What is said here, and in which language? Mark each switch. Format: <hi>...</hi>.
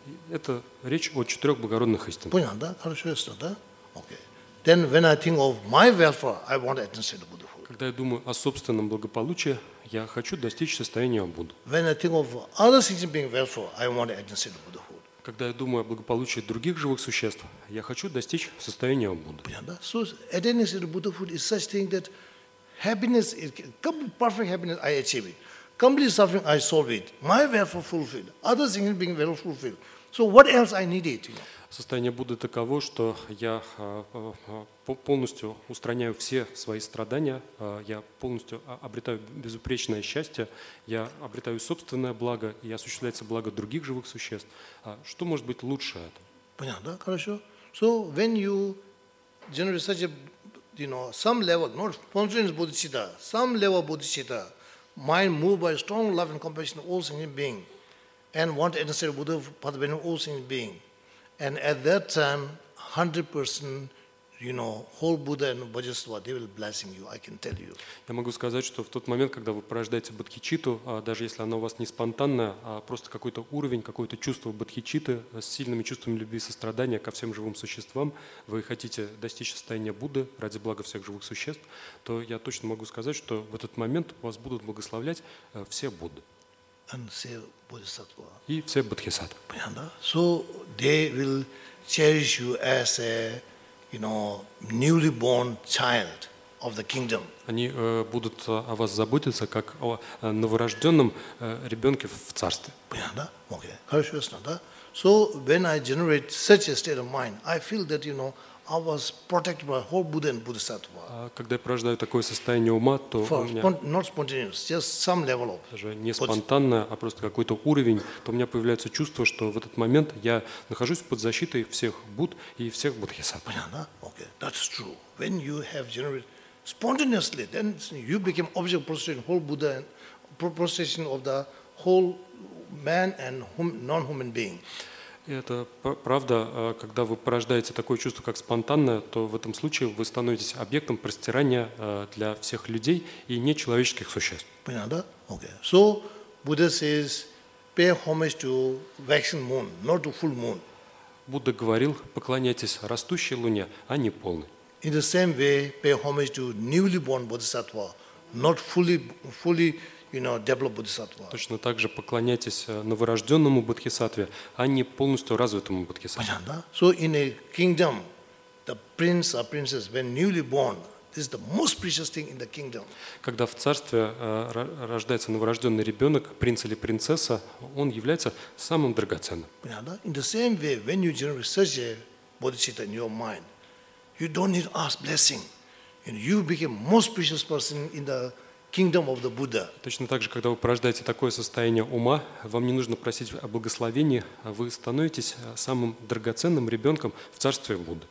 <ru>Это речь о четырех благородных истинах. Понятно, да? Хорошо, ясно, да? Окей.</ru> <en>Then when I think of my welfare, I want to attain state of Buddha.</en> <ru>Когда я думаю о собственном благополучии, я хочу достичь состояния Будды.</ru> <en>When I think of other things being welfare, I want to attain state of Buddha.</en> <ru>Когда я думаю о благополучии других живых существ, я хочу достичь состояния Будды. Понятно?</ru> <en>So attaining state of Buddha is such thing that happiness, perfect happiness, I achieve it. Complete suffering, I solve it. My welfare fulfilled. Other things being welfare fulfilled. So what else I needed?</en> <ru>Состояние Будды таково, что я полностью устраняю все свои страдания, я полностью обретаю безупречное счастье, я обретаю собственное благо и осуществляется благо других живых существ. Что может быть лучше этого? Понятно, да? Хорошо.</ru> <en>So when you generate such a, you know, some level, not functioning bodhicitta, some level bodhicitta, mind moved by strong love and compassion all sentient being, and want to enter the Buddha path when all sentient being. And at that time, 100%, you know, whole Buddha and Bodhisattva, they will blessing you. I can tell you.</en> <ru>Я могу сказать, что в тот момент, когда вы порождаете бодхичитту, даже если она у вас не спонтанная, а просто какой-то уровень, какое-то чувство бодхичитты с сильными чувствами любви и сострадания ко всем живым существам, вы хотите достичь состояния Будды ради блага всех живых существ, то я точно могу сказать, что в этот момент вас будут благословлять все Будды. And все бодхисаттва. И все бодхисаттвы. Понятно?</ru> <en>So they will cherish you as a, you know, newly born child of the kingdom.</en> <ru>Они будут о вас заботиться как о новорожденном ребенке в царстве. Понятно? Okay. Хорошо, ясно, да?</ru> <en>So when I generate such a state of mind, I feel that, you know, I was protected by whole Buddha and Bodhisattva.</en> <ru>Когда я порождаю такое состояние ума, то у меня</ru> <en>not spontaneous, just some level of.</en> <ru>Даже не спонтанное, а просто какой-то уровень, то у меня появляется чувство, что в этот момент я нахожусь под защитой всех Будд и всех Бодхисаттв. Понятно?</ru> <en>Okay, that's true. When you have generated spontaneously, then you became object of prostration, whole Buddha and prostration of the whole man and non-human being.</en> <ru>И это правда, когда вы порождаете такое чувство, как спонтанное, то в этом случае вы становитесь объектом простирания для всех людей и нечеловеческих существ. Понятно, да?</ru> <en>Okay. So Buddha says, pay homage to waxing moon, not to full moon.</en> <ru>Будда говорил, поклоняйтесь растущей луне, а не полной.</ru> <en>In the same way, pay homage to newly born bodhisattva, not fully you know, developed bodhisattva.</en> <ru>Точно так же поклоняйтесь новорожденному бодхисаттве, а не полностью развитому бодхисаттве. Понятно, да?</ru> <en>So in a kingdom, the prince or princess, when newly born, this is the most precious thing in the kingdom.</en> <ru>Когда в царстве рождается новорожденный ребенок, принц или принцесса, он является самым драгоценным. Понятно, да?</ru> <en>In the same way, when you generate such a bodhicitta in your mind, you don't need ask blessing. And you become most precious person in the kingdom of the Buddha.</en> <ru>Точно так же, когда вы порождаете такое состояние ума, вам не нужно просить о благословении, вы становитесь самым драгоценным ребенком в царстве Будды.</ru>